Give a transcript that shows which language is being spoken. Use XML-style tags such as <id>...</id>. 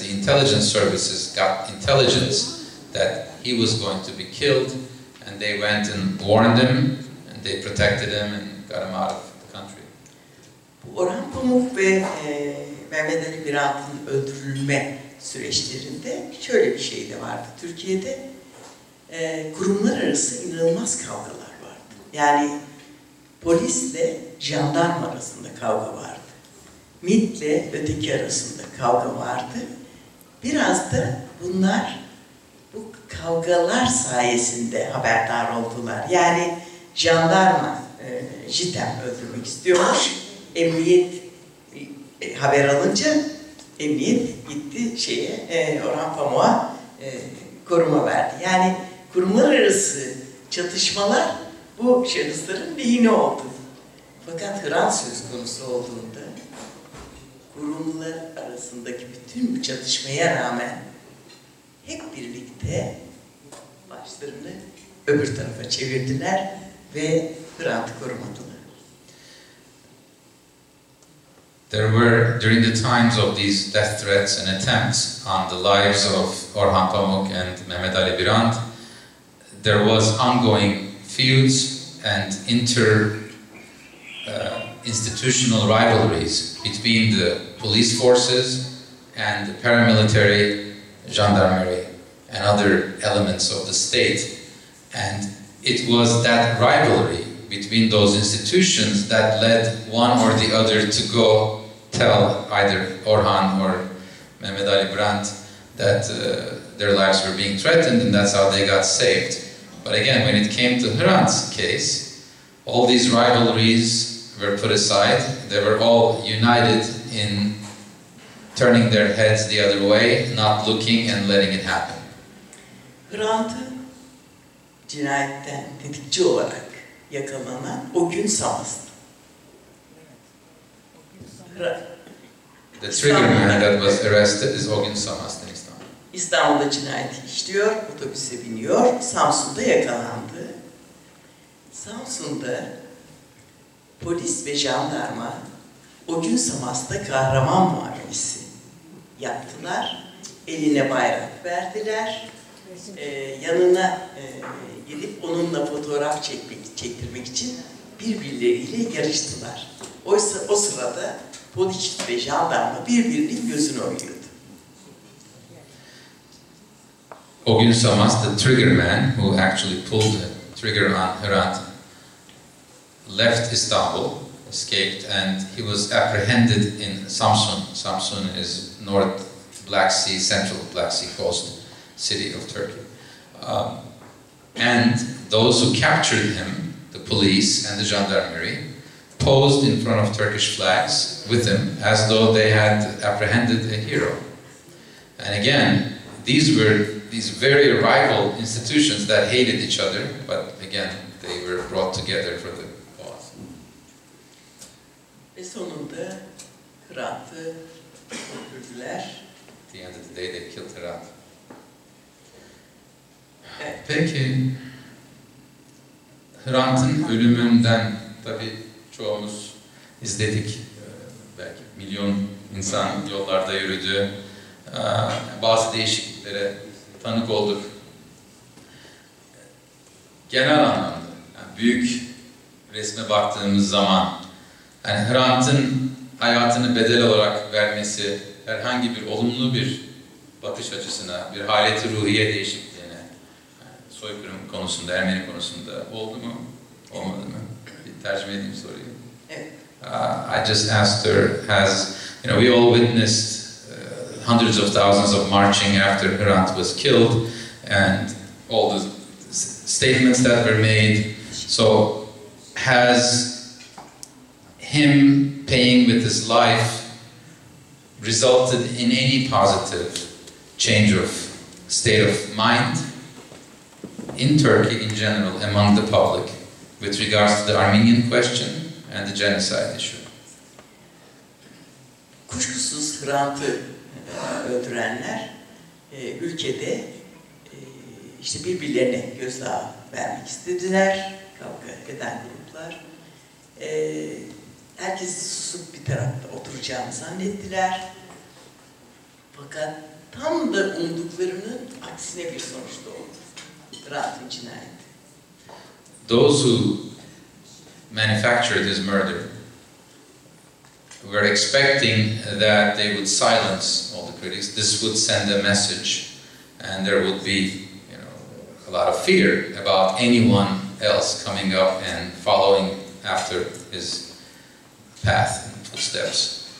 <en>The intelligence services got intelligence that he was going to be killed, and they went and warned him, and they protected him and got him out of the country.</en> <tr>Orhan Pamuk ve Mehmet Ali Birant'ın öldürülme süreçlerinde şöyle bir şey de vardı Türkiye'de. Kurumlar arası inanılmaz kavgalar vardı. Yani polisle jandarma arasında kavga vardı. MİT'le öteki arasında kavga vardı. Biraz da bunlar bu kavgalar sayesinde haberdar oldular. Yani jandarma JITEM öldürmek istiyormuş. Emniyet haber alınca emniyet gitti şeye Orhan Pamuk'a koruma verdi. Yani kurumlar arası çatışmalar bu şahısların lehine oldu. Fakat Hrant söz konusu olduğunda kurumlar arasındaki bütün bu çatışmaya rağmen hep birlikte başlarını öbür tarafa çevirdiler ve Hrant'ı korumadılar.</tr> <en>There were, during the times of these death threats and attempts on the lives of Orhan Pamuk and Mehmet Ali Birant, there was ongoing feuds and inter-institutional rivalries between the police forces and the paramilitary, gendarmerie, and other elements of the state. And it was that rivalry between those institutions that led one or the other to go tell either Orhan or Mehmet Ali Brandt that their lives were being threatened, and that's how they got saved. But again, when it came to Hrant's case, all these rivalries were put aside. They were all united in turning their heads the other way, not looking and letting it happen.</en> <tr>Hrant'ı cinayetten tetikçi olarak yakalanan o gün Samas'tı.</tr> <en>The trigger man that was arrested is Ogün Samas'tı.</en> <tr>İstanbul'da cinayeti işliyor, otobüse biniyor, Samsun'da yakalandı. Samsun'da polis ve jandarma Ogün Samas'ta kahraman muamelesi yaptılar. Eline bayrak verdiler. Yanına gidip onunla fotoğraf çektirmek için birbirleriyle yarıştılar. Oysa o sırada polis ve jandarma birbirinin gözünü oyuyor.</tr> <en>Ogün Samas, the trigger man who actually pulled the trigger on Hrant, left Istanbul, escaped, and he was apprehended in Samsun. Samsun is North Black Sea, Central Black Sea coast city of Turkey. And those who captured him, the police and the gendarmerie, posed in front of Turkish flags with him as though they had apprehended a hero. And again, these very rival institutions that hated each other, but again, they were brought together for the cause.</en> <tr>Ve sonunda Hrant'ı öldürdüler.</tr> <en>At the end of the day, they killed Hrant.</en> <tr>Peki, Hrant'ın ölümünden tabi çoğumuz izledik. Belki milyon insan yollarda yürüdü. bazı değişikliklere tanık olduk. Genel anlamda, yani büyük resme baktığımız zaman, yani Hrant'ın hayatını bedel olarak vermesi herhangi bir olumlu bir bakış açısına, bir haleti ruhiye değişikliğine, yani soykırım konusunda, Ermeni konusunda oldu mu, olmadı mı? Bir tercüme edeyim soruyu. Evet.</tr> <en>I just asked her, has, you know, we all witnessed hundreds of thousands of marching after Hrant was killed, and all the statements that were made. So, has him paying with his life resulted in any positive change of state of mind in Turkey in general, among the public, with regards to the Armenian question and the genocide issue?</en> <tr>Kuşkusuz Hrant'ı öldürenler ülkede işte birbirlerine gözdağı vermek istediler, kavga eden gruplar. Herkes susup bir tarafta oturacağını zannettiler. Fakat tam da umduklarının aksine bir sonuç doğdu. Hrant'ın cinayeti.</tr> <en>Those who manufactured his murder were expecting that they would silence all the critics. This would send a message, and there would be, you know, a lot of fear about anyone else coming up and following after his path and footsteps.</en>